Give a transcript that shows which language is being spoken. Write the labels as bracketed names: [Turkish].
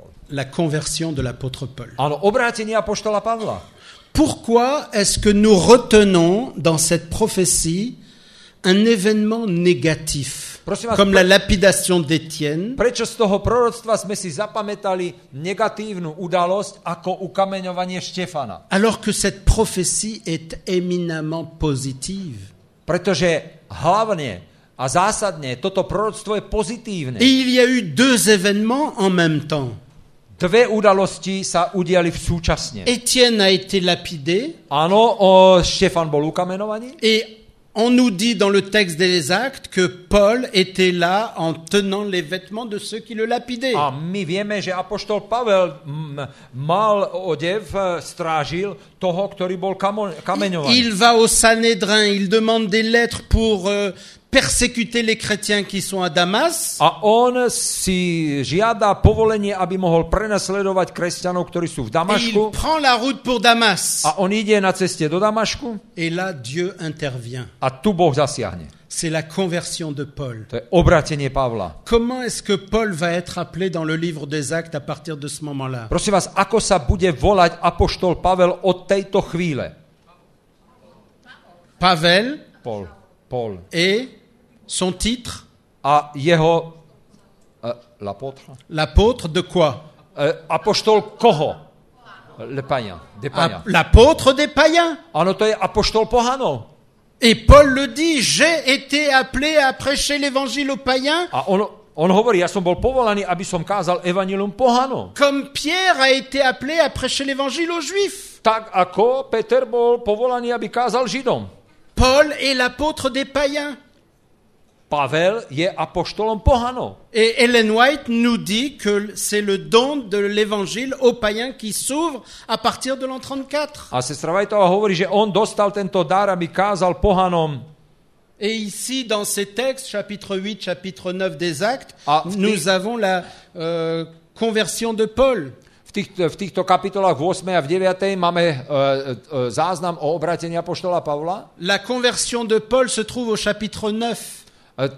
[French] La conversion de l'apôtre Paul. Alors, [Slovak] obrátenie apoštola Pavla. [French] Pourquoi est-ce que nous retenons dans cette prophétie un événement négatif, [Slovak] vás, [French] comme la lapidation d'Étienne? [Slovak] Prečo z toho proroctva sme si zapamätali negatívnu udalosť ako ukameňovanie Štefana? [French] Alors que cette prophétie est éminemment positive. [Slovak] Pretože hlavne a zásadne toto proroctvo je pozitívne. [French] Et il y a eu deux événements en même temps. [Slovak] Dve udalosti sa udiali súčasne. [French] Étienne a été lapidé. [Slovak] Áno, Štefan bol ukameňovaný. [French] Et on nous dit dans le texte des Actes que Paul était là en tenant les vêtements de ceux qui le lapidaient. [Slovak] A my vieme, že apoštol Pavel mal odev, strážil toho, ktorý bol kameňovaný. [French] Il va au Sanhédrin, il demande des lettres pour persécuter les chrétiens qui sont à Damas. [Slovak] A on si žiada povolenie, aby mohol prenasledovať kresťanov, ktorí sú v Damašku. [French] Il prend la route pour Damas. [Slovak] A on ide na ceste do Damašku. [French] Et là Dieu intervient. [Slovak] A tu Boh zasiahne. [French] C'est la conversion de Paul. [Slovak] To je obrátenie Pavla. [French] Comment est-ce que Paul va être appelé dans le livre des Actes à partir de ce moment-là? [Slovak] Prosím vás, ako sa bude volať apoštol Pavel od tejto chvíle? Pavel? [French] Paul. Paul. Et son titre? [Slovak] A jeho [French] l'apôtre. L'apôtre de quoi? [Slovak] Apoštol koho? [French] Le païen, des païens. L'apôtre des païens. [Slovak] Ano, to je apoštol pohanov. [French] Et Paul le dit, j'ai été appelé à prêcher l'évangile aux païens. [Slovak] A on hovorí, ja som bol povolaný, aby som kázal evanjelium pohanom. [French] Comme Pierre a été appelé à prêcher l'évangile aux juifs. [Slovak] Tak ako Peter bol povolaný, aby kázal židom. [French] Paul est l'apôtre des païens. [Slovak] Pavel je apoštolom pohanov. [French] Et Ellen White nous dit que c'est le don de l'évangile aux païens qui s'ouvre à partir de l'an 34. [Slovak] A sestra Whiteová hovorí, že on dostal tento dar, aby kázal pohanom. [French] Et ici dans ces textes, chapitre 8, chapitre 9 des Actes, nous avons la conversion de Paul. [Slovak] V týchto kapitolách 8. a v 9. máme záznam o obrátení apoštola Pavla. [French] La conversion de Paul se trouve au chapitre 9.